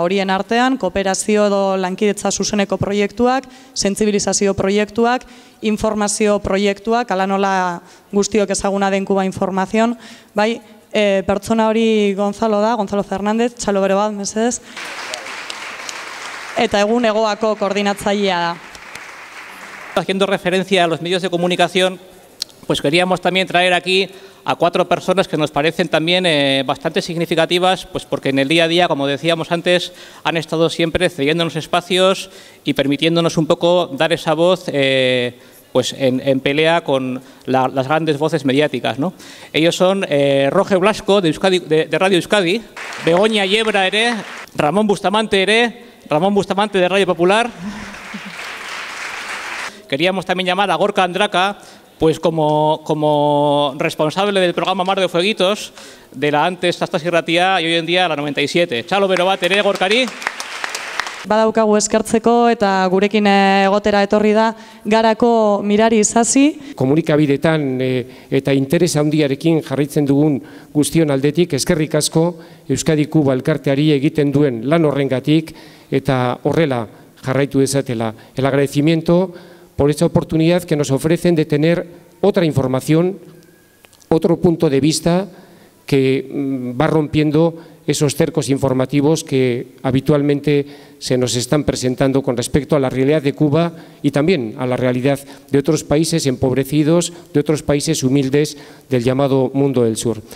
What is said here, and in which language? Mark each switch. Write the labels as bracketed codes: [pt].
[eu] Horien artean, kooperazio edo lankidetza zuzeneko proiektuak, sentsibilizazio proiektuak, informazio proiektuak, ala nola guztiok ezaguna den Kuba Información, bai, pertsona hori Gonzalo da, Gonzalo Fernández, txalo bero bat, mesedez. Eta egun egoako koordinatzailea da. [es] Haciendo referencia a los medios de comunicación, pues queríamos también traer aquí a cuatro personas que nos parecen también bastante significativas, pues porque en el día a día, como decíamos antes, han estado siempre cediéndonos espacios y permitiéndonos un poco dar esa voz pues en pelea con las grandes voces mediáticas, ¿no? Ellos son Roge Blasco, de Radio Euskadi, Begoña Yebra, Ramón Bustamante, de Radio Popular. Queríamos también llamar a Gorka Andraca, pues como responsable del programa Mar de Fueguitos, de la antes Astas Irratia y hoy en día la 97. [eu] Txalo bero bat ere, Gorkari. Badaukagu eskertzeko eta gurekin egotera etorri da Garako Mirari Isasi. Komunikabidetan eta interes handiarekin jarraitzen dugun guztion aldetik eskerrik asko Euskadi Kuba elkarteari egiten duen lan horrengatik eta horrela jarraitu dezatela. [es] El agradecimiento por esta oportunidad que nos ofrecen de tener otra información, otro punto de vista que va rompiendo esos cercos informativos que habitualmente se nos están presentando con respecto a la realidad de Cuba y también a la realidad de otros países empobrecidos, de otros países humildes del llamado mundo del sur.